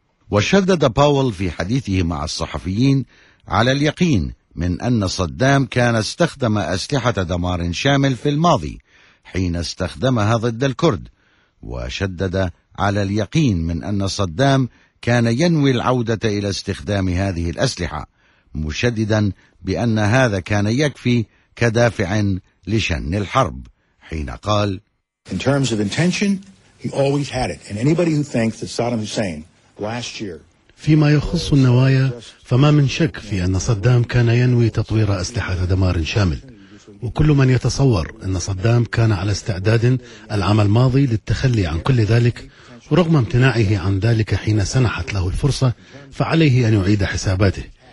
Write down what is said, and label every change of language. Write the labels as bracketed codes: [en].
[ar] وشدد باول في حديثه مع الصحفيين على اليقين من أن صدام كان استخدم أسلحة دمار شامل في الماضي حين استخدمها ضد الكرد، وشدد على اليقين من أن صدام كان ينوي العودة إلى استخدام هذه الأسلحة، مشددا بأن هذا كان يكفي كدافع لشن الحرب حين قال: [en] In terms of intention, he always had it. And anybody who thinks that Saddam Hussein last year [ar] فيما يخص النوايا فما من شك في أن صدام كان ينوي تطوير أسلحة دمار شامل، وكل من يتصور أن صدام كان على استعداد العام الماضي للتخلي عن كل ذلك ورغم امتناعه عن ذلك حين سنحت له الفرصة فعليه أن يعيد حساباته.